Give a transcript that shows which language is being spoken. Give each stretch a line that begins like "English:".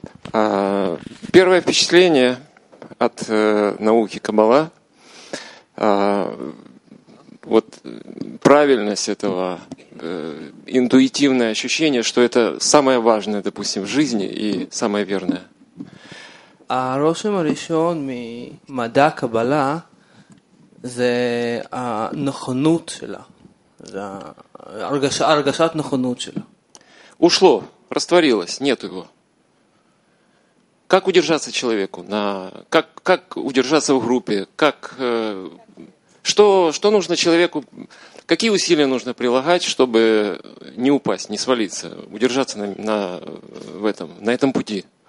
Russian: Первое впечатление от науки Каббала, вот правильность этого, интуитивное ощущение, что это самое важное, допустим, в жизни и самое верное.
Hebrew: הרושם הראשון ממדע קבלה זה הנכונות שלה. זה הרגשת נכונות שלה.
Russian: Ушло, растворилось, нет его. Как удержаться человеку? Как удержаться в группе? Что нужно человеку? Какие усилия нужно прилагать, чтобы не упасть, не свалиться, удержаться на этом пути?